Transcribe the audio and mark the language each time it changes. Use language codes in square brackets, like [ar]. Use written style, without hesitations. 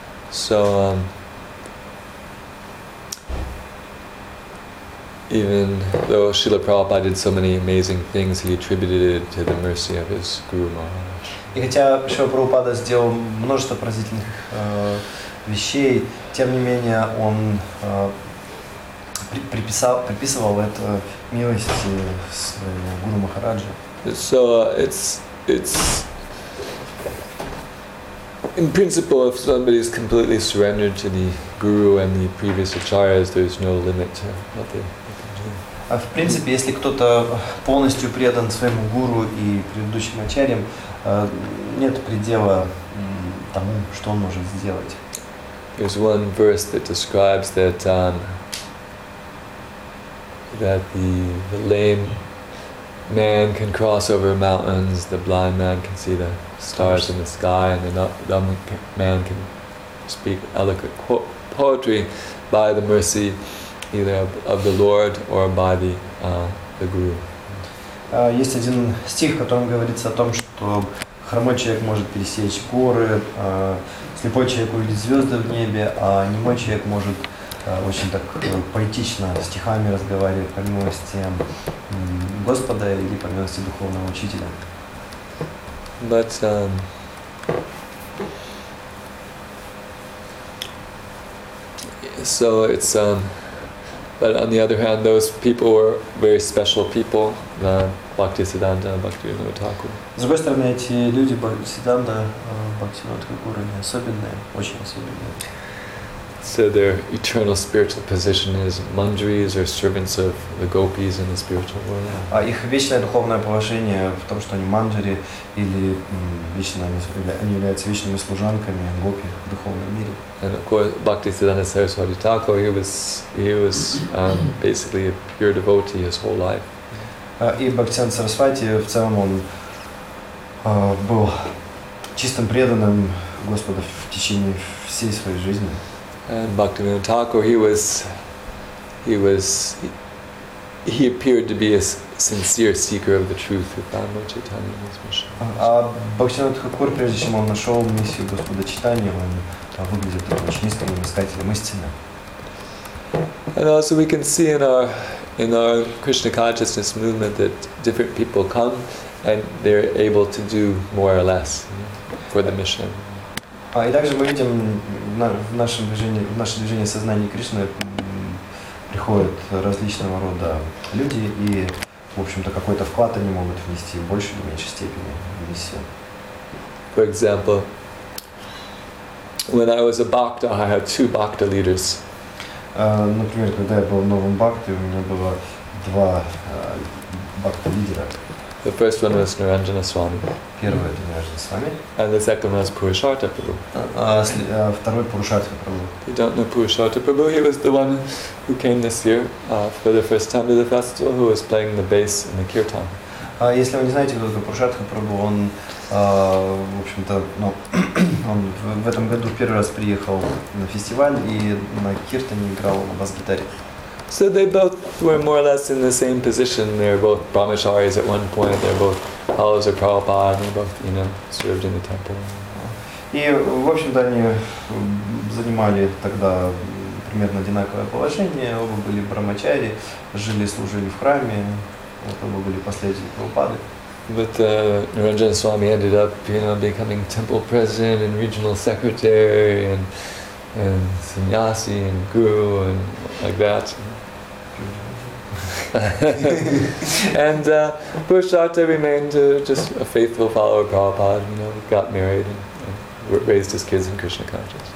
[en] So, even though Srila Prabhupada did so many amazing things, he attributed it to the mercy of his Guru Maharaj. [ru] И хотя Шрила Прабхупада сделал множество поразительных вещей, тем не менее он приписывал это милости своему Гуру Махараджу. [en] So it's in principle, if somebody is completely surrendered to the guru and the previous acharyas, there is no limit to what they can do. [ru] В принципе, если кто-то полностью предан своему гуру и предыдущим ачарьям, нет предела тому, что он может сделать. [en] There's one verse that describes that that the lame man can cross over mountains, the blind man can see the stars in the sky, and the dumb man can speak eloquent poetry by the mercy either of the Lord or by the Guru. [ru] Есть один стих, в котором говорится о том, что хромой человек может пересечь горы, слепой человек увидит звезды в небе, а немой человек может очень так поэтично стихами разговаривает по милости Господа или по милости духовного учителя. [en] But so it's but on the other hand, those people were very special people, the Bhaktisiddhanta and Bhaktivinoda Thakur. [ru] С другой стороны, эти люди Бхактисиддханта Бхактивинода Тхакура не особенные, очень особенные. [en] So their eternal spiritual position is mandris or servants of the gopis in the spiritual world. [ru] Их вечное духовное положение в том, что они мандри или вечные, они являются вечными служанками гопи в духовном мире. [en] And of course, Bhaktisiddhanta Saraswati Thakur, he was basically a pure devotee his whole life. [ru] И Бхактисиддханта Сарасвати в целом он был чистым преданным Господа в течение всей своей жизни. [en] And Bhaktivinoda Thakur, he appeared to be a sincere seeker of the truth with Bhagavad Gita Chaitanya in his mission. [ru] Bhaktivinoda Thakur, прежде чем он нашел миссию Господа Чайтанья, он выглядит очень искренним искателем истины. [en] And also we can see in our Krishna consciousness movement that different people come and they're able to do more or less for the mission. [ru] И также мы видим в нашем движении сознания Кришны приходят различного рода люди и, в общем-то, какой-то вклад они могут внести в большей или меньшей степени в миссию. [en] For example, when I was a bhakta, I had two bhakta leaders. [ru] Например, когда я был в новом бхакти, у меня было два бхакти лидера. [en] The first one was Niranjana Swami. [ru] Первый это Niranjana Swami. [en] And the second was Purushartha Prabhu. [ru] Второй Purushartha Prabhu. [en] You don't know Purushartha Prabhu? He was the one who came this year for the first time to the festival, who was playing the bass in the kirtan. [ru] Если вы не знаете, кто такой Пуршатха Прабху, он, в общем-то, ну, он в этом году первый раз приехал на фестиваль и на киртане играл на бас-гитаре. [en] So they both were more or less in the same position. They were both brahmacharis at one point, they were both followers of Prabhupada, and they both, you know, served in the temple. [ru] И, в общем-то, они занимали тогда примерно одинаковое положение. Оба были брахмачари, жили, служили в храме. [en] But Niranjana Swami ended up, you know, becoming temple president and regional secretary and sannyasi and guru and like that. And Purushartha remained just a faithful follower of Prabhupada, you know, got married and raised his kids in Krishna consciousness.